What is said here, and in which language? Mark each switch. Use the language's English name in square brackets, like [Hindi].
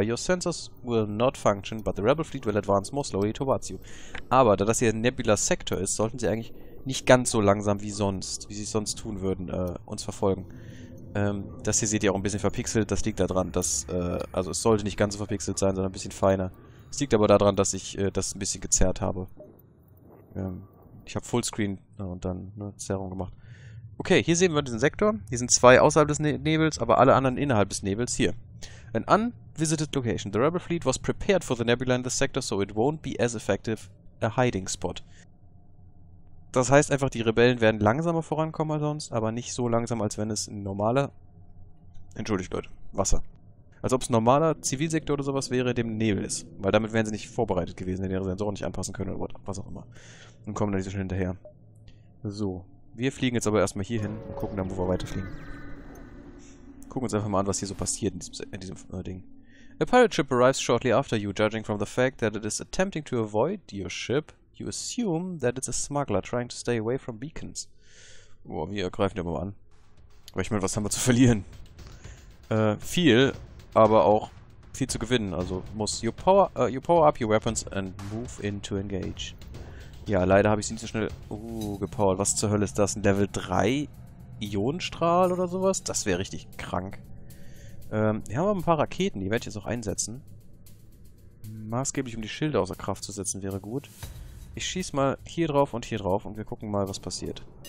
[English] Your sensors will not function, but the rebel fleet will advance more slowly towards you. [German] Aber da das hier ein Nebula-Sektor ist, sollten sie eigentlich nicht ganz so langsam wie sonst, wie sie es sonst tun würden, uns verfolgen. Das hier seht ihr auch ein bisschen verpixelt. Das liegt daran, dass... also es sollte nicht ganz so verpixelt sein, sondern ein bisschen feiner. Es liegt aber daran, dass ich das ein bisschen gezerrt habe. Ich habe Fullscreen und dann eine Zerrung gemacht. Okay, hier sehen wir diesen Sektor. Hier sind zwei außerhalb des Nebels, aber alle anderen innerhalb des Nebels hier. [English] An unvisited location. The Rebel Fleet was prepared for the nebula in this sector, so it won't be as effective a hiding spot. [German] Das heißt einfach, die Rebellen werden langsamer vorankommen als sonst, aber nicht so langsam, als wenn es ein normaler... Entschuldigt, Leute. Wasser. Als ob es ein normaler Zivilsektor oder sowas wäre, dem Nebel ist. Weil damit wären sie nicht vorbereitet gewesen, wenn ihre Sensoren nicht anpassen können oder was auch immer. Und kommen da nicht so schnell hinterher. So. Wir fliegen jetzt aber erstmal hier hin und gucken dann, wo wir weiterfliegen. Gucken uns einfach mal an, was hier so passiert in diesem Ding. [English] A pirate ship arrives shortly after you, judging from the fact that it is attempting to avoid your ship. You assume that it's a smuggler trying to stay away from beacons. [German] Boah, wir greifen ja mal an. Aber ich meine, was haben wir zu verlieren? Viel, aber auch viel zu gewinnen. [English] Also muss you power up your weapons and move in to engage. [German] Ja, leider habe ich sie nicht so schnell gepowert. Was zur Hölle ist das? Ein Level 3 Ionenstrahl oder sowas? Das wäre richtig krank. Hier haben wir ein paar Raketen, die werde ich jetzt auch einsetzen. Maßgeblich, um die Schilde außer Kraft zu setzen, wäre gut. Ich schieße mal hier drauf und hier drauf und wir gucken mal, was passiert.